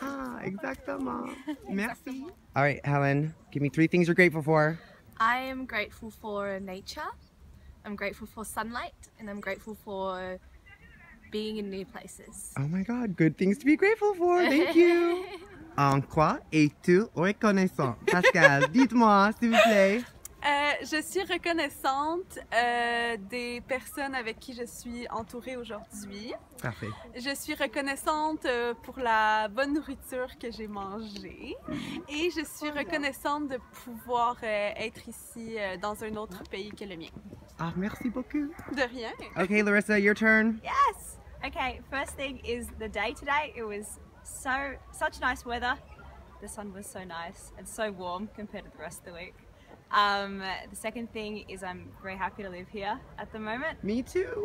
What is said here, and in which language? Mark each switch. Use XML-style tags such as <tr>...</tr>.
<fr>Ah, exactement. Merci.</fr> <en>All right, Helen, give me three things you're grateful for. I am grateful for nature, I'm grateful for sunlight, and I'm grateful for being in new places. Oh my god, good things to be grateful for, thank you!</en> <fr>En quoi es-tu reconnaissant? Pascal, dites-moi, s'il vous plaît. Je suis reconnaissante des personnes avec qui je suis entourée aujourd'hui. Parfait. Je suis reconnaissante pour la bonne nourriture que j'ai mangée. Et je suis reconnaissante de pouvoir être ici dans un autre pays que le mien. Ah, merci beaucoup. De rien.</fr> <en>OK, Larissa, your turn. Yes! OK, first thing is the day today. It was such nice weather. The sun was so nice and so warm compared to the rest of the week. The second thing is I'm very happy to live here at the moment. Me too.</en>